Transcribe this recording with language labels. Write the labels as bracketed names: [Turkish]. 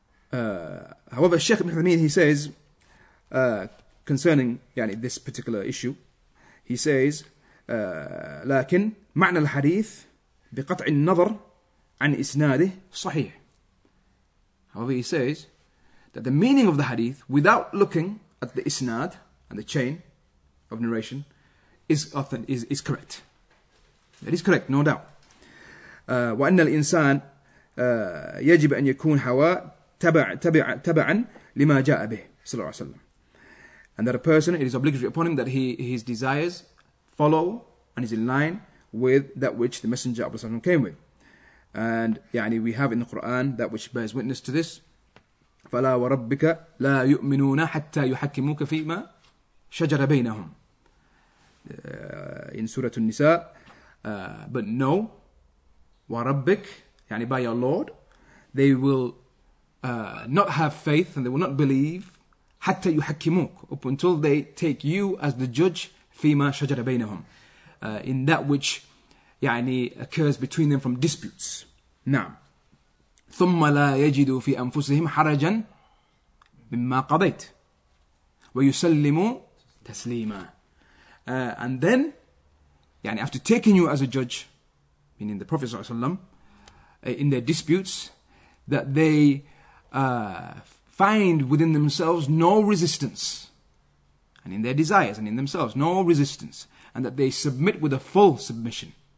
[English] However, Shaykh ibn Hamid, he says, concerning يعني, this particular issue, he says, [Arabic] لكن معنى الحديث بقطع النظر عن إسناده صحيح. [English] However, he says that the meaning of the hadith, without looking at the isnad and the chain of narration, is correct. That is correct, no doubt. [Arabic] وأن الإنسان يجب أن يكون حواء تبعا لما جاء به صلى الله عليه وسلم. [English] And that a person, it is obligatory upon him that his desires follow and is in line with that which the Messenger of Allah came with. And يعني we have in the Quran that which bears witness to this. [Arabic] فَلَا وَرَبِّكَ لَا يُؤْمِنُونَ حَتَّى يُحَكِّمُوكَ فِيمَا شَجَرَ بَيْنَهُمْ [English] in Surah An-Nisa. But no, وَرَبِّكَ يعني by your Lord, they will not have faith and they will not believe [Arabic] حَتَّى يُحَكِّمُوكَ [English] up until they take you as the judge [Arabic] فِيمَا شَجَرَ بَيْنَهُمْ [English] in that which يعني occurs between them from disputes. نعم. [Arabic] ثم لا يجدوا في أنفسهم حرجا مما قضيت ويسلموا تسليما. [English] And then يعني after taking you as a judge, meaning the Prophet sallallahu alaihi wasallam, in their disputes, that they find within themselves no resistance, and in their desires and in themselves no resistance, and that they submit with a full submission.